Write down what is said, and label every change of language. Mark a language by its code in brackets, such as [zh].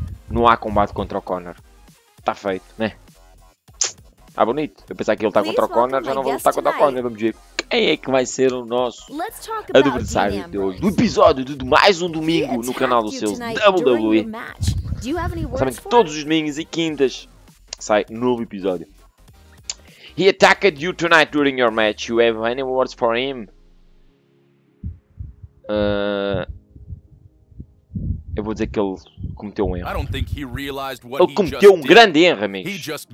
[pt] Não há combate contra o Connor. Tá feito, né? Tá bonito. Eu pensava que ele tá contra o Connor. Já não vou lutar contra o Connor. Vamos ver. Quem é que vai ser o nosso adversário de hoje? No episódio de mais um domingo no canal do seu WWE. Sabem que todos os domingos e quintas sai novo episódio. [en] He attacked you tonight during your match. You have any words for him? [pt] Eu vou dizer que ele cometeu um erro. Ele cometeu um grande erro, amigos.